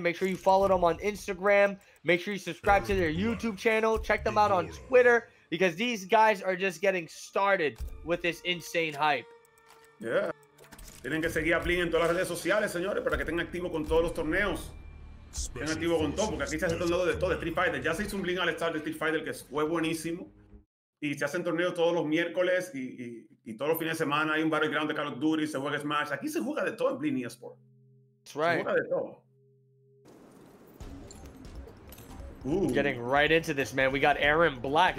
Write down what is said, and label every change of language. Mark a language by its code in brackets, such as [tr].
[en] Make sure you follow them on Instagram. Make sure you subscribe to their YouTube channel. Check them out on Twitter because these guys are just getting started with this insane hype. Yeah. [es] Tienen que seguir a Blink en todas las redes sociales, señores, para que estén activos con todos los torneos. Estén activos con todo, porque aquí se hace torneo de todo, de Street Fighter. Ya se hizo un Blink All Star de Street Fighter que fue buenísimo. Y se hacen torneos todos los miércoles y todos los fines de semana. Hay un Battleground de Call of Duty, se juega Smash. Aquí se juega de todo en Blink Esports. [en] That's right. [es] Se juega de todo. [en] Getting right into this, man. We got Aaron Black.